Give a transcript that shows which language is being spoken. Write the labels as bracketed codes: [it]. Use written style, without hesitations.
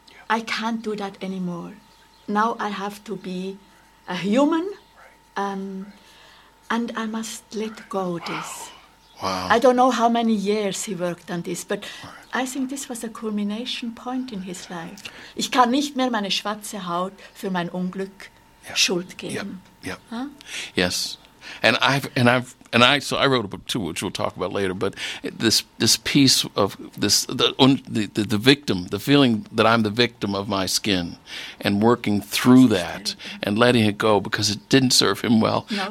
[en] I can't do that anymore. Now I have to be a human, and I must let go of this. Wow. I don't know how many years he worked on this, but I think this was a culmination point in his life. [de] Ich kann nicht mehr meine schwarze Haut für mein Unglück Schuld geben. [en] Yep. Yep. Huh? Yes. And I wrote a book too, which we'll talk about later, but this piece of this the victim, the feeling that I'm the victim of my skin, and working through that and letting it go because it didn't serve him well. No.